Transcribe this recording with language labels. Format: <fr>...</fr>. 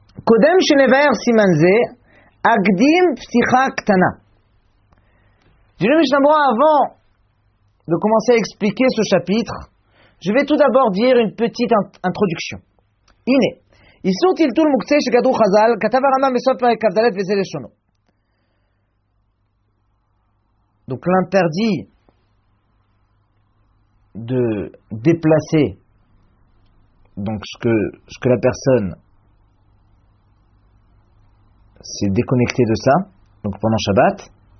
<he>קודם שנבהר סימן זה, אקדים פתיחה קטנה. דברי משנה ברורה,</he> <fr>avant de commencer à expliquer ce chapitre, je vais tout d'abord dire une petite introduction.</fr> <he>הנה, איסור טלטול מוקצה שכתבו חז"ל, כתב הרמב"ם בסוף פרק כ"ד וזה לשונו.</he> <fr>Donc l'interdit de déplacer donc ce que la personne s'est déconnectée de ça, donc pendant Shabbat.</fr>